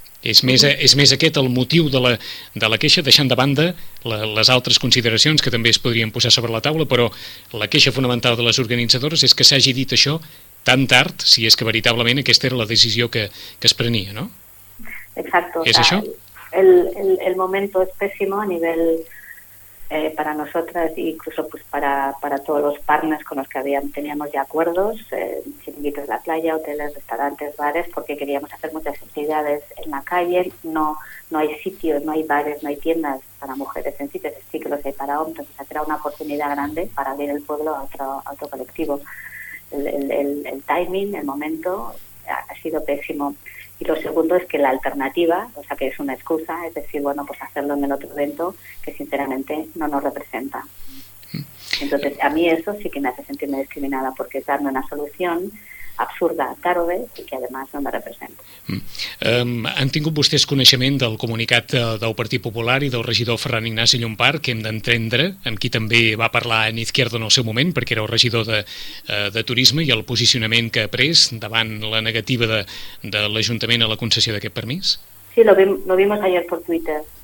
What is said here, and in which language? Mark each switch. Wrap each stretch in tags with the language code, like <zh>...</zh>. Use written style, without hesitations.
<ca>És més aquest el motiu de la queixa, deixant de banda les altres consideracions que també es podrien posar sobre la taula, però la queixa fonamental de les organitzadores és que s'hagi dit això tan tard, si és que veritablement aquesta era la decisió que es prenia, no?</ca> <es>Exacto.</es> <ca>¿Es això?</ca> <es>El momento es pésimo a nivel para nosotras, incluso pues para todos los partners con los que teníamos ya acuerdos, chiringuitos de la playa, hoteles, restaurantes, bares, porque queríamos hacer muchas actividades en la calle. No hay sitios, no hay bares, no hay tiendas para mujeres en sitios, sí que los hay para hombres. O sea, era una oportunidad grande para abrir el pueblo a otro colectivo. El timing, el momento, ha sido pésimo. Y lo segundo es que la alternativa, o sea, que es una excusa, es decir, bueno, pues hacerlo en el otro evento, que sinceramente no nos representa. Entonces, a mí eso sí que me hace sentirme discriminada, porque es darme una solución absurda, tarde, y que además no me representa.</es> <ca>Han tingut vostès coneixement del comunicat del Partit Popular i del regidor Ferran Ignasi Llompart, que hem d'entendre, amb qui també va parlar en Izquierdo en el seu moment, perquè era el regidor de Turisme, i el posicionament que ha pres davant la negativa de l'Ajuntament a la concessió d'aquest permís?</ca> <es>Sí, lo vimos ayer por Twitter.</es>